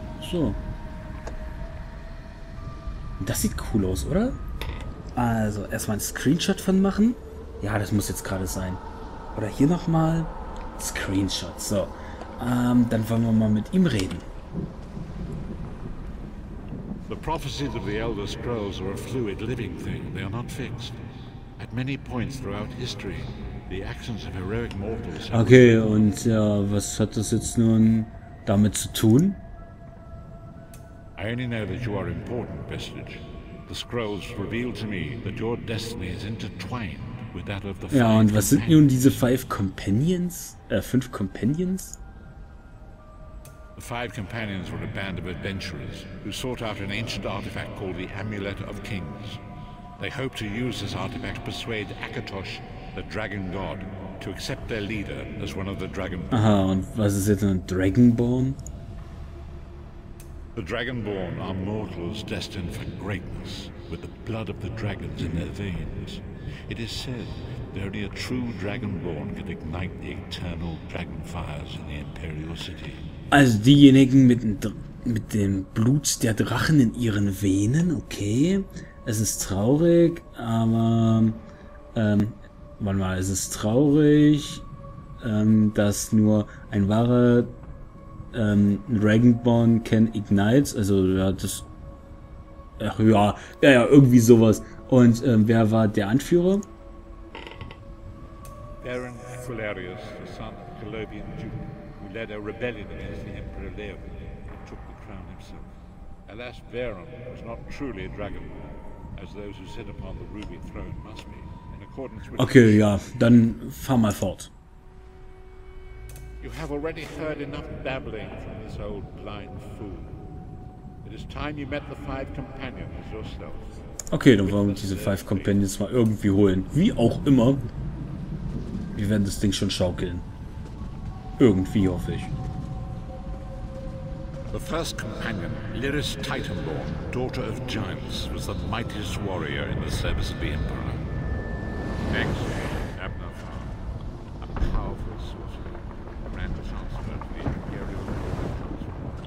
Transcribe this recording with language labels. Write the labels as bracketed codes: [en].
[de] So. Das sieht cool aus, oder? Also, erstmal ein Screenshot von machen. Ja, das muss jetzt gerade sein. Oder hier nochmal. Screenshot. So. Dann wollen wir mal mit ihm reden. [en] The prophecies of the Elder Scrolls are a fluid living thing. They are not fixed. At many points throughout history, the actions of heroic mortals. [de] Okay, und ja, was hat das jetzt nun damit zu tun? [en] I only know that you are important, Vestige. The scrolls reveal to me that your destiny is intertwined with that of the five. [de] Ja, und was sind nun diese 5 Companions? 5 Companions? [en] The five companions were a band of adventurers who sought out an ancient artifact called the Amulet of Kings. They hoped to use this artifact to persuade Akatosh, the dragon god, to accept their leader as one of the Dragonborn. Aha, und was ist jetzt ein Dragonborn? The Dragonborn are mortals destined for greatness, with the blood of the dragons in their veins. It is said that only a true Dragonborn could ignite the eternal dragonfires in the Imperial City. [de] Also diejenigen mit dem Blut der Drachen in ihren Venen, okay. Es ist traurig, aber warte mal, es ist traurig, dass nur ein wahrer Dragonborn [en] can ignite, [de] also ja, das, ach ja, ja, ja, irgendwie sowas. Und wer war der Anführer? [en] Baron Fularius, the son of the Calobian Duke, who led a rebellion against the Emperor Leovigild and took the crown himself. Alas, Baron was not truly a Dragonborn, as those who sit upon the ruby throne must be. [de] Okay, ja, dann fahr mal fort. [en] You have already heard enough babbling from this old blind fool. It is time you met the five companions yourself. [de] Okay, dann wollen wir diese five companions mal irgendwie holen. Wie auch immer. Wir werden das Ding schon schaukeln. Irgendwie, hoffe ich. [en] The first companion, Lyris Titanborn, daughter of giants, was the mightiest warrior in the service of the Emperor. Next, Abnathar, a powerful sorcerer, ran the chancellor to the Imperial Court Chancellor.